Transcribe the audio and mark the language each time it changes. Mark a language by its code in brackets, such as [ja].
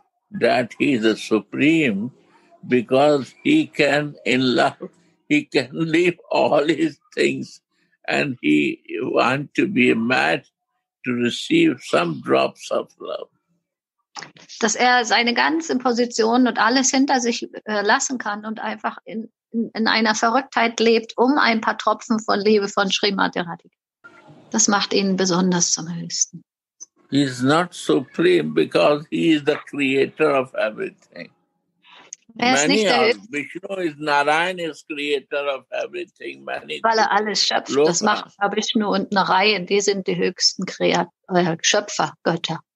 [en] That he is a supreme because he can in love, he can leave all his things and he want to be mad to receive some drops of love. [de] Dass er seine ganze Position und alles hinter sich lassen kann und einfach in einer Verrücktheit lebt, um ein paar Tropfen von Liebe von Srimati Radhika. Das macht ihn besonders zum Höchsten. [en] He is not supreme because he is the creator of everything. Vishnu is Narayan, is creator of everything. [de] Weil er alles schöpft. Lopa. Das macht Vishnu und Narayan. Die sind die höchsten Schöpfer, Götter.